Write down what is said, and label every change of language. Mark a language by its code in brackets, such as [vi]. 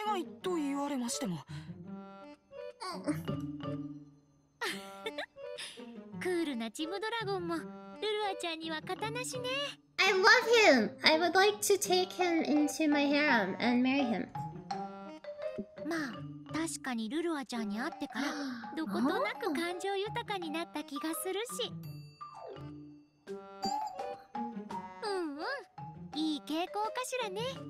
[ja] お願いと言われましても… クールなジムドラゴンもルルアちゃんには刀しね。 [en] I love him! I would like to take him into my harem and marry him. [ja] まあ、確かにルルアちゃんに会ってからどことなく感情豊かになった気がするし。うんうん、いい傾向かしらね。